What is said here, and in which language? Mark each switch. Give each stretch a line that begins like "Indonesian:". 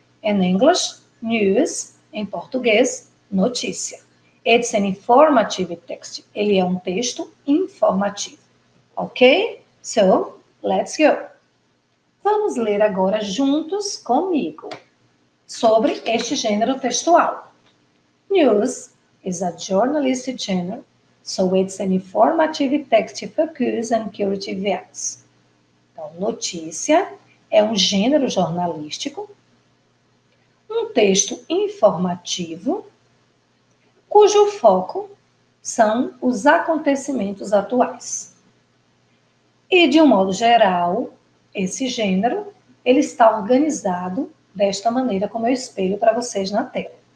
English: In English, news.
Portuguese: Em português, notícia.
English: It's an informative text.
Portuguese: Ele é um texto informativo.
English: Ok? So, let's go.
Portuguese: Vamos ler agora juntos comigo sobre este gênero textual.
English: News is a journalistic genre, so it's an informative text focus and curative events.
Portuguese: Então, notícia é um gênero jornalístico, um texto informativo, cujo foco são os acontecimentos atuais. E, de um modo geral, esse gênero, ele está organizado desta maneira, como eu espelho para vocês na tela.